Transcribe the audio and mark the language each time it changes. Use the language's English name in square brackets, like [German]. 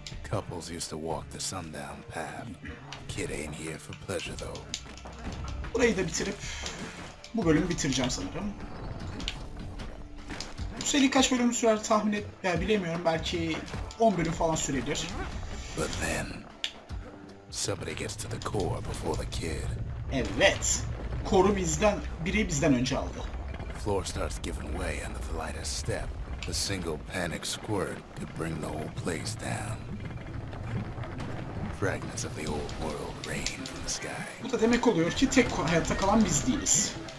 [English] Couples used to walk the sundown path. Kid ain't here for pleasure though. [Turkish] Burayı da bitirip bu bölümü bitireceğim sanırım. Bu seri kaç bölüm sürer tahmin et, ya bilemiyorum, belki 10 bölüm falan sürebilir. [English] But then somebody gets to the core before the kid. [Turkish] Evet. Core'u bizden, biri bizden önce aldı. [English] The floor starts giving way under the lightest step. A single panic squirt could bring the whole place down. Fragments of the old world rain from the sky. [Turkish] Bu da demek oluyor ki tek hayatta kalan biz değiliz.